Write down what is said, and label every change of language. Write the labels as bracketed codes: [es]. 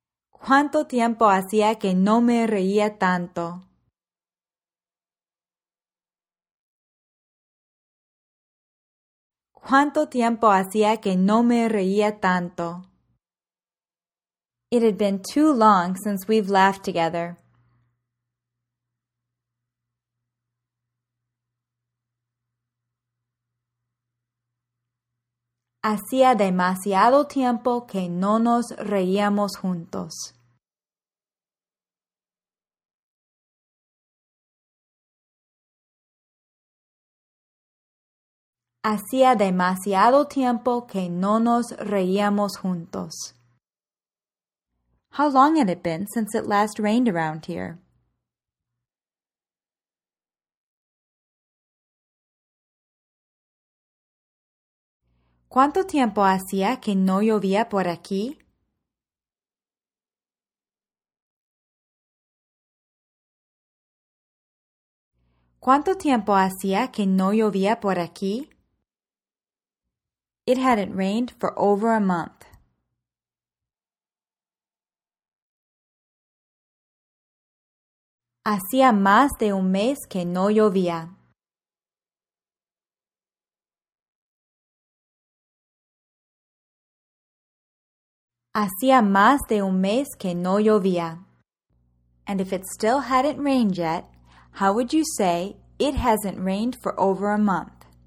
[es] ¿Cuánto tiempo hacía que no me reía tanto? ¿Cuánto tiempo hacía que no me reía tanto? [en] It had been too long since we've laughed together. [es] Hacía demasiado tiempo que no nos reíamos juntos. Hacía demasiado tiempo que no nos reíamos juntos. [en] How long had it been since it last rained around here? [es] ¿Cuánto tiempo hacía que no llovía por aquí? ¿Cuánto tiempo hacía que no llovía por aquí? [en] It hadn't rained for over a month. [es] Hacía más de un mes que no llovía. Hacía más de un mes que no llovía. [en] And if it still hadn't rained yet, how would you say, "It hasn't rained for over a month"?